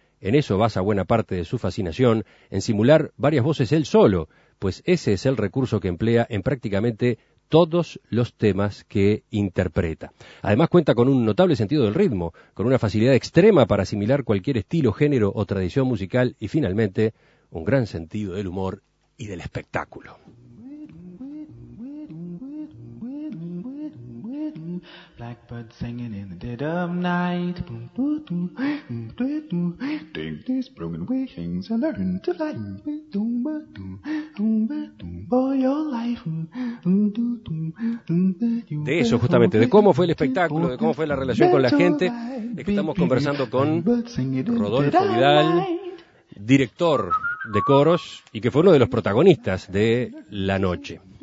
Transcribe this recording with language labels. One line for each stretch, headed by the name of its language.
Spanish: En eso basa buena parte de su fascinación, en simular varias voces él solo, pues ese es el recurso que emplea en prácticamente todos los temas que interpreta. Además cuenta con un notable sentido del ritmo, con una facilidad extrema para asimilar cualquier estilo, género o tradición musical y finalmente un gran sentido del humor y del espectáculo.
English: Blackbird singing in the dead of night. Boom, boom, boom, take this broken wings and learn to fly. Boom, boom, boom, for your life.
Spanish: De eso justamente, de cómo fue el espectáculo, de cómo fue la relación con la gente, es que estamos conversando con Rodolfo Vidal, director de coros y que fue uno de los protagonistas de la noche.